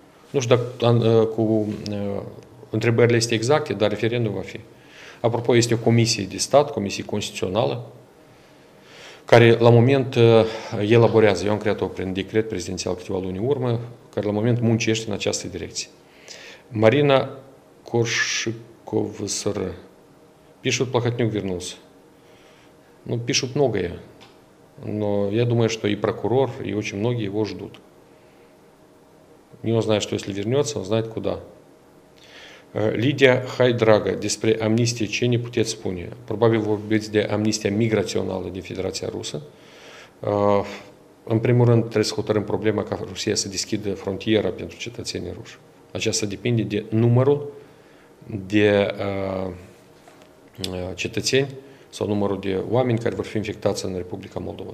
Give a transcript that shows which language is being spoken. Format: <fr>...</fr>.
<ro>Nu știu dacă cu întrebările este exacte, dar referendum va fi. Apropo, este o comisie de stat, comisie constituțională, care la moment elaborează, eu am creat-o prin decret prezidențial câteva luni urmă, care la moment muncește în această direcție. Marina Koršikovsr.</ro> <ru>Пишут, Плохотнюк вернулся. Ну, пишут многое. Но я думаю, что и прокурор, и очень многие его ждут. Не он знает, что если вернется, он знает куда.</ru> <ro>Лидия Хайдрага, despre amnistie, ce ne puteți spune? Probabil vorbiți de amnistia migrațională din Federația Rusă. În primul rând, trebuie să hotărâm problema ca Rusia să deschidă frontiera pentru cetățenii ruși. Aceasta depinde de numărul de cetățeni sau numărul de oameni care vor fi infectați în Republica Moldova.</ro>